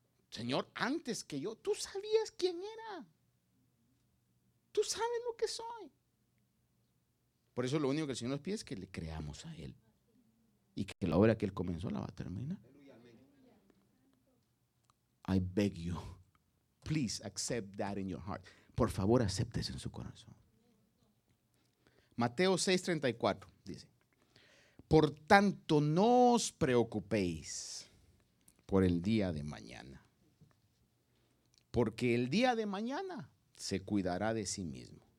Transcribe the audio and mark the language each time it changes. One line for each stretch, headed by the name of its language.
Spanish: Señor, antes que yo, tú sabías quién era. Tú sabes lo que soy. Por eso lo único que el Señor nos pide es que le creamos a Él. Y que la obra que Él comenzó la va a terminar.
English: I beg you, please accept that in your heart.
Spanish: Por favor, aceptes en su corazón. Mateo 6:34 dice: Por tanto, no os preocupéis por el día de mañana, porque el día de mañana se cuidará de sí mismo.